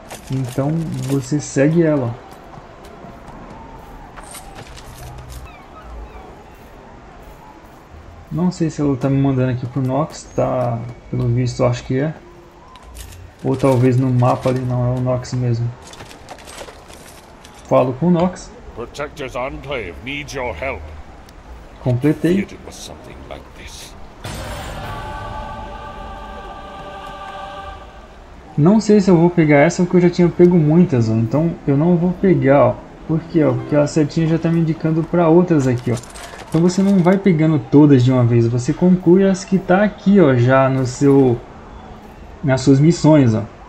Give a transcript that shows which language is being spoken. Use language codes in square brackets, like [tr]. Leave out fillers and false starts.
[pt] Então você segue ela, ó. Não sei se ela tá me mandando aqui pro Nox, tá? Pelo visto, eu acho que é. Ou talvez no mapa ali, não, é o Nox mesmo. Falo com o Nox. [en] Protector's enclave needs your help. [pt] Completei. [en] Feared it was something like this. [pt] Não sei se eu vou pegar essa, porque eu já tinha pego muitas, ó. Então eu não vou pegar, ó. Por quê, ó? Porque a setinha já tá me indicando para outras aqui, ó. Então você não vai pegando todas de uma vez, você conclui as que tá aqui, ó, já no seu nas suas missões, ó.